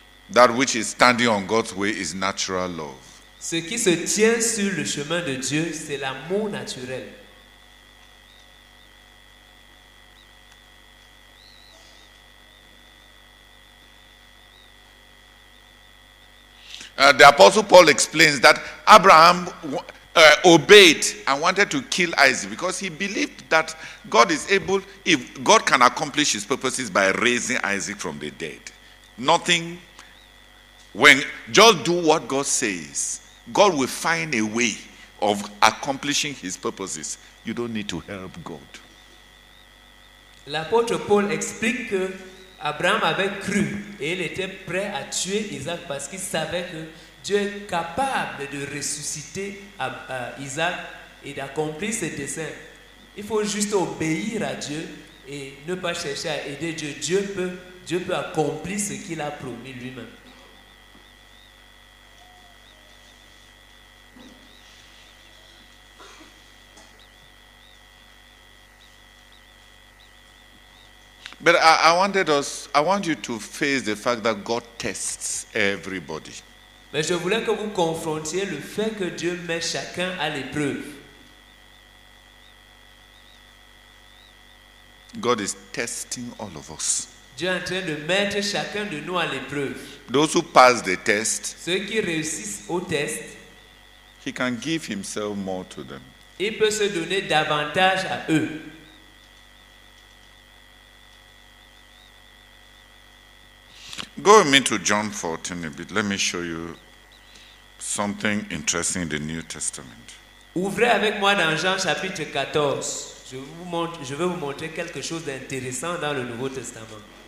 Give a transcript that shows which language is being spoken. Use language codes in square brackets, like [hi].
[en] that which is standing on God's way is natural love. [fr] Ce qui se tient sur le chemin de Dieu, c'est l'amour naturel. [en] The Apostle Paul explains that Abraham obeyed and wanted to kill Isaac because he believed that God is able, if God can accomplish his purposes by raising Isaac from the dead. Nothing, when just do what God says, God will find a way of accomplishing his purposes. You don't need to help God. [fr] L'apôtre Paul explique que Abraham avait cru et il était prêt à tuer Isaac parce qu'il savait que Dieu est capable de ressusciter Isaac et d'accomplir ses desseins. Il faut juste obéir à Dieu et ne pas chercher à aider Dieu. Dieu peut accomplir ce qu'il a promis lui-même. [en] But I want you to face the fact that God tests everybody. [fr] Mais je voulais que vous confrontiez le fait que Dieu met chacun à l'épreuve. [en] God is testing all of us. [fr] Dieu est en train de mettre chacun de nous à l'épreuve. [en] Those who pass the test, [fr] ceux qui réussissent au test, [en] he can give himself more to them. [fr] Il peut se donner davantage à eux. [en] Go with me to John 14 a bit. Let me show you something interesting in the New Testament. [fr] Ouvrez avec moi dans Jean chapitre 14. Je vais vous montrer quelque chose d'intéressant dans le Nouveau Testament.